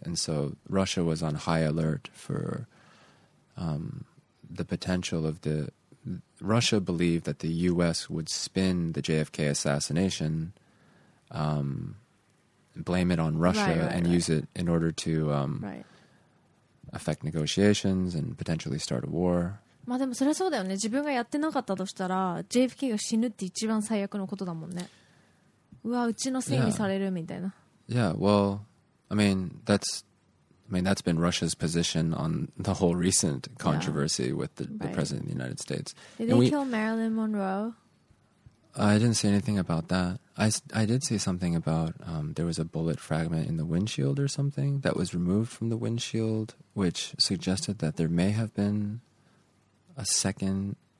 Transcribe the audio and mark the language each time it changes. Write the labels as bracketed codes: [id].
[en] And so Russia was on high alert for the potential of the... Russia believed that the U.S. would spin the JFK assassination, blame it on Russia, use it in order to affect negotiations and potentially start a war. [ja] まあでもそれはそうだよね。自分がやってなかったとしたら JFK が死ぬって一番最悪のことだもんね。うわ、うちのせいにされるみたいな。 [en] Yeah, well, I mean, that's mean, that's been Russia's position on the whole recent controversy with the, the president of the United States. Did they kill Marilyn Monroe? I didn't see anything about that. I did see something about there was a bullet fragment in the windshield or something that was removed from the windshield, which suggested that there may have been a second